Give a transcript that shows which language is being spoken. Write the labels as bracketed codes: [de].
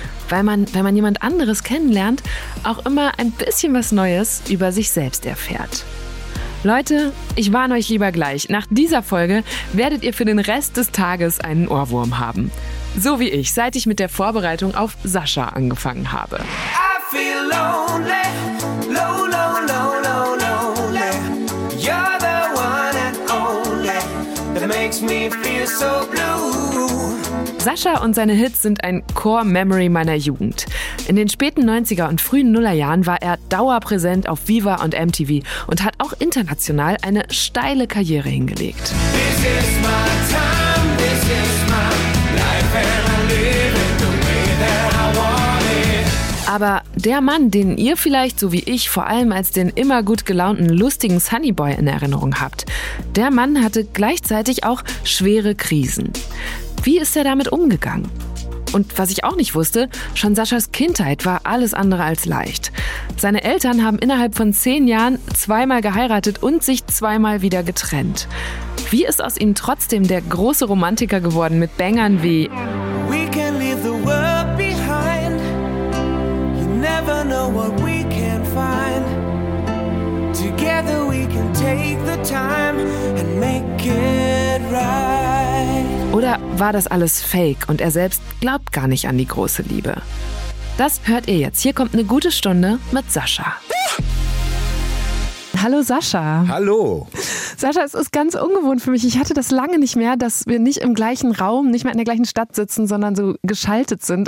[de] Weil man, wenn man jemand anderes kennenlernt, auch immer ein bisschen was Neues über sich selbst erfährt. Leute, ich warne euch lieber gleich. Nach dieser Folge werdet ihr für den Rest des Tages einen Ohrwurm haben. So wie ich, seit ich mit der Vorbereitung auf Sascha angefangen habe. [en] I feel lonely, low, low, low, low, lonely. You're the one and only that makes me feel so blue. [de] Sascha und seine Hits sind ein Core-Memory meiner Jugend. In den späten 90er und frühen Nullerjahren war er dauerpräsent auf Viva und MTV und hat auch international eine steile Karriere hingelegt. [en] This is my time, this is my life and I live it the way that I want it. [de] Aber der Mann, den ihr vielleicht, so wie ich, vor allem als den immer gut gelaunten, lustigen Sunnyboy in Erinnerung habt, der Mann hatte gleichzeitig auch schwere Krisen. Wie ist er damit umgegangen? Und was ich auch nicht wusste, schon Saschas Kindheit war alles andere als leicht. Seine Eltern haben innerhalb von 10 Jahren zweimal geheiratet und sich zweimal wieder getrennt. Wie ist aus ihm trotzdem der große Romantiker geworden mit Bängern wie [en] We can leave the world behind. You never know what we can find. Together we can take the time and make it right. [de] Oder war das alles fake und er selbst glaubt gar nicht an die große Liebe? Das hört ihr jetzt. Hier kommt eine gute Stunde mit Sascha. Hallo Sascha. Hallo. Sascha, es ist ganz ungewohnt für mich. Ich hatte das lange nicht mehr, dass wir nicht im gleichen Raum, nicht mehr in der gleichen Stadt sitzen, sondern so geschaltet sind.